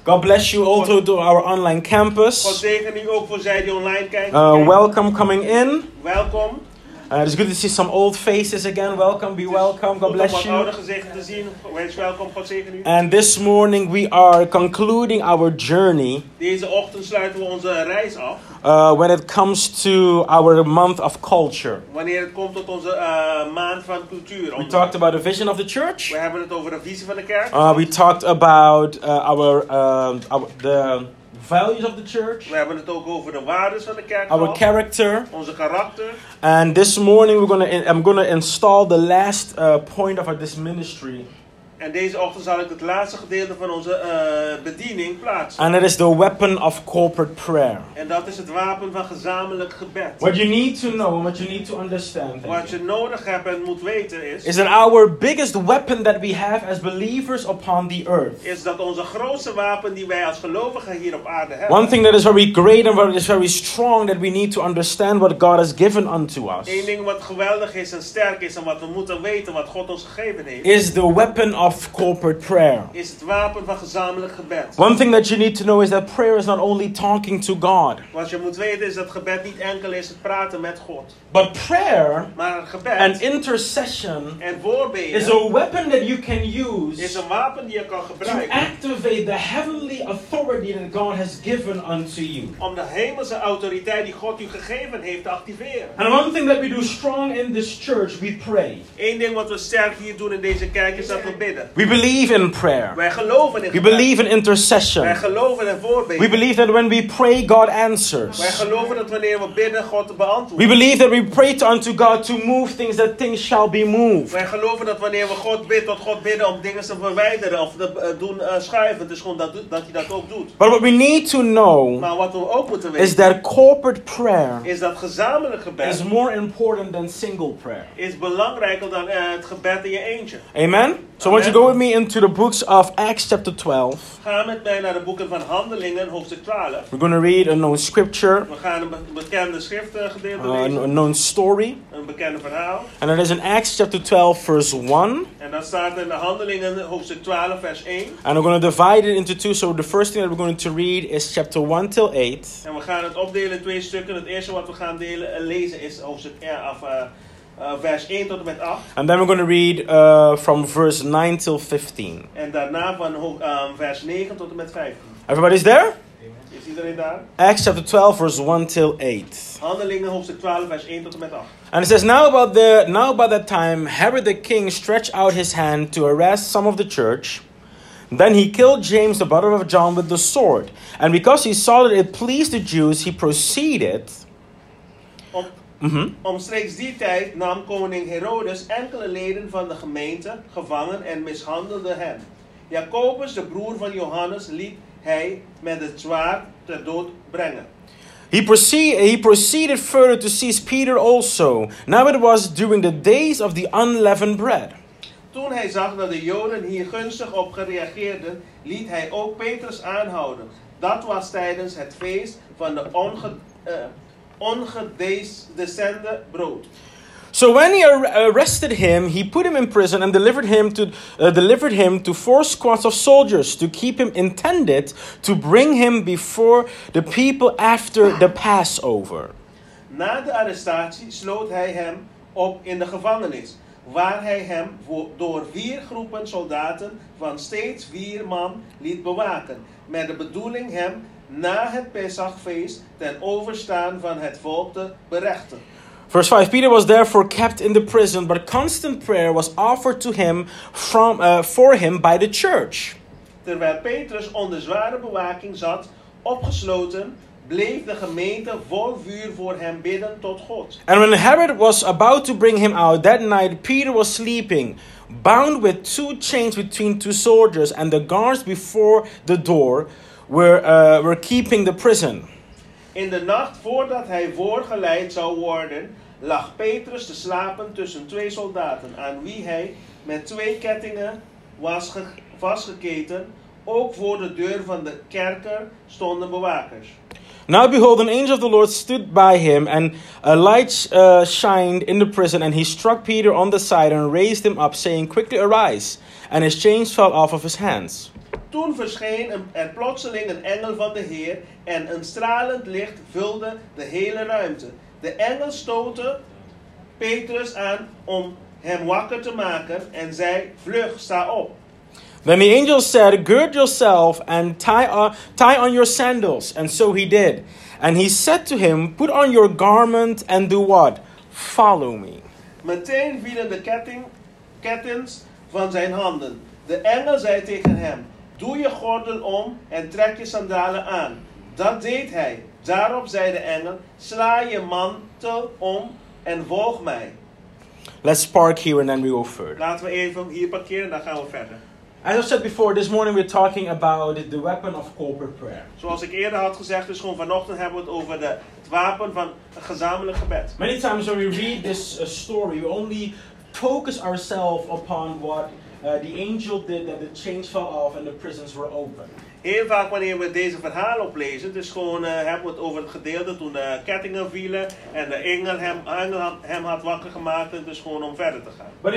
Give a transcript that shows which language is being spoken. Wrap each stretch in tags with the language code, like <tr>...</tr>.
<en>God bless you also to our online campus.</en> <nl>God zegen u ook voor zij die online kijken.</nl> <en>Welcome coming in.</en> <nl>Welkom.</nl> <en>It's good to see some old faces again. Welcome, be welcome. God bless you.</en> <nl>Oude gezichten te zien. Wees welkom. God zegen u.</nl> <en>And this morning we are concluding our journey.</en> <nl>Deze ochtend sluiten we onze reis af.</nl> <en>When it comes to our month of culture.</en> <nl>Wanneer het komt tot onze maand van cultuur.</nl> <en>We talked about the vision of the church.</en> <nl>We hebben het over de visie van de kerk.</nl> <en>We talked about the values of the church.</en> <nl>We hebben het ook over de waardes van de kerk.</nl> <en>Our character.</en> <nl>Onze karakter.</nl> <en>And this morning I'm gonna install the last point of this ministry.</en> <nl>En deze ochtend zal ik het laatste gedeelte van onze bediening plaatsen.</nl> <en>And it is the weapon of corporate prayer.</en> <nl>En dat is het wapen van gezamenlijk gebed.</nl> <en>What you need to know and what you need to understand.</en> <nl>Wat je nodig hebt en moet weten is.</nl> <en>Is that our biggest weapon that we have as believers upon the earth.</en> <nl>Is dat onze grootste wapen die wij als gelovigen hier op aarde hebben.</nl> <en>One thing that is very great and what is very strong that we need to understand what God has given unto us.</en> <nl>Eén ding wat geweldig is en sterk is en wat we moeten weten wat God ons gegeven heeft.</nl> <en>Is the weapon of corporate prayer.</en> <nl>Is het wapen van gezamenlijk gebed.</nl> <en>One thing that you need to know is that prayer is not only talking to God.</en> <nl>Wat je moet weten is dat gebed niet enkel is het praten met God.</nl> <en>But prayer,</en> <nl>maar gebed,</nl> <en>and intercession,</en> <nl>en voorbeden,</nl> <en>is a weapon that you can use,</en> <nl>is een wapen die je kan gebruiken,</nl> <en>to activate the heavenly authority that God has given unto you.</en> <nl>Om de hemelse autoriteit die God u gegeven heeft te activeren.</nl> <en>And one thing that we do strong in this church, we pray.</en> <nl>Eén ding wat we sterk hier doen in deze kerk is dat we.</nl> <en>We believe in prayer.</en> <nl>Wij geloven in gebed.</nl> <en>We believe in intercession.</en> <nl>Wij geloven in voorbeden.</nl> <en>We believe that when we pray, God answers.</en> <nl>Wij geloven dat wanneer we bidden, God beantwoordt.</nl> <en>We believe that we pray unto God to move things, that things shall be moved.</en> <nl>Wij geloven dat wanneer we God bidden, dat God bidden om dingen te verwijderen of te doen schuiven. Dus gewoon dat hij dat ook doet.</nl> <en>But what we need to know,</en> <nl>maar wat we ook moeten weten,</nl> <en>is that corporate prayer,</en> <nl>is dat gezamenlijk gebed,</nl> <en>is more important than single prayer.</en> <nl>Is belangrijker dan het gebed in je eentje.</nl> <en>Amen. So why don't you go with me into the books of Acts chapter 12.</en> <nl>Ga met mij naar de boeken van Handelingen, hoofdstuk 12.</nl> <en>We're going to read a known scripture.</en> <nl>We gaan een bekende schrift gedeelte lezen.</nl> <en>A known story.</en> <nl>Een bekende verhaal.</nl> <en>And it is in Acts chapter 12 verse 1.</en> <nl>En dat staat in de Handelingen, hoofdstuk 12 vers 1.</nl> <en>And we're going to divide it into two. So the first thing that we're going to read is chapter 1 till 8.</en> <nl>En we gaan het opdelen in twee stukken. Het eerste wat we gaan lezen is hoofdstuk 12. Vers 1 tot en met 8.</nl> <en>And then we're going to read from verse 9 till 15.</en> <nl>En daarna van vers 9 tot en met 15.</nl> <en>Everybody's there?</en> <nl>Is iedereen daar?</nl> <en>Acts chapter 12 verse 1 till 8.</en> <nl>Handelingen hoofdstuk 12 vers 1 tot en met 8.</nl> <en>And it says, Now about that time, Herod the king stretched out his hand to arrest some of the church. Then he killed James the brother of John with the sword. And because he saw that it pleased the Jews, he proceeded.</en> <nl>Omstreeks die tijd nam koning Herodes enkele leden van de gemeente gevangen en mishandelde hen. Jacobus, de broer van Johannes, liet hij met het zwaard ter dood brengen.</nl> <en>He proceeded further to seize Peter also. Now it was during the days of the unleavened bread.</en> <nl>Toen hij zag dat de Joden hier gunstig op gereageerden, liet hij ook Petrus aanhouden. Dat was tijdens het feest van de ongedecende brood.</nl> <en>So when he arrested him, he put him in prison and delivered him to four squads of soldiers to keep him intended to bring him before the people after the Passover.</en> <nl>Na de arrestatie sloot hij hem op in de gevangenis, waar hij hem door vier groepen soldaten van steeds vier man liet bewaken, met de bedoeling hem na het Pesachfeest ten overstaan van het volk te berechten.</nl> <en>Verse 5. Peter was therefore kept in the prison, but constant prayer was offered to him for him by the church.</en> <nl>Terwijl Petrus onder zware bewaking zat, opgesloten, bleef de gemeente vol vuur voor hem bidden tot God.</nl> <en>And when Herod was about to bring him out that night, Peter was sleeping, bound with two chains between two soldiers, and the guards before the door were keeping the prison.</en> <nl>In de nacht voordat hij voorgeleid zou worden, lag Petrus te slapen tussen twee soldaten, aan wie hij met twee kettingen was vastgeketen. Ook voor de deur van de kerker stonden bewakers.</nl> <en>Now behold, an angel of the Lord stood by him, and a light shined in the prison, and he struck Peter on the side and raised him up, saying, quickly arise. and his chains fell off of his hands.</en> <nl>Toen verscheen er plotseling een engel van de Heer en een stralend licht vulde de hele ruimte. De engel stootte Petrus aan om hem wakker te maken en zei, vlug, sta op.</nl> <en>Then the angel said, gird yourself and tie on your sandals. And so he did. And he said to him, put on your garment and do what? Follow me.</en> <nl>Meteen vielen de kettens van zijn handen. De engel zei tegen hem, doe je gordel om en trek je sandalen aan. Dat deed hij. Daarop zei de engel, sla je mantel om en volg mij.</nl> <en>Let's park here and then we go further.</en> <nl>Laten we even hier parkeren, dan gaan we verder.</nl> <en>As I said before, this morning we're talking about the weapon of corporate prayer.</en> <nl>Zoals ik eerder had gezegd, dus gewoon vanochtend hebben we het over het wapen van een gezamenlijk gebed.</nl> <en>Many times when we read this story, we only focus ourselves upon what the angel did, that the chains fell off and the prisons were open.</en> <nl>Heel vaak wanneer we deze verhalen oplezen, dus gewoon hebben we het over het gedeelte toen de kettingen vielen en de engel hem had wakker gemaakt en dus gewoon om verder te gaan.</nl>